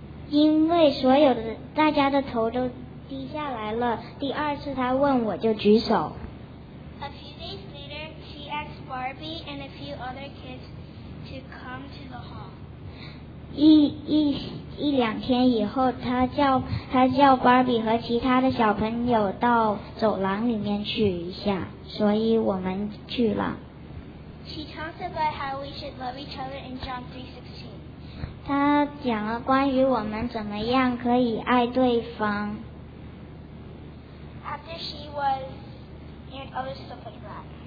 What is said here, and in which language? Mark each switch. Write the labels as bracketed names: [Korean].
[Chinese] 因为所有的大家的头都低下来了，第二次他问我就举手。 [English] A few days later, she asked Barbie and a few other kids to come to the hall. [Chinese] 一两天以后，他叫 Barbie 和其他的小朋友到走廊里面去一下，所以我们去了。 [English] She talks about how we should love each other in John 3:16. [Chinese] 他讲了关于我们怎么样可以爱对方。 [English] After she was and other stuff like that.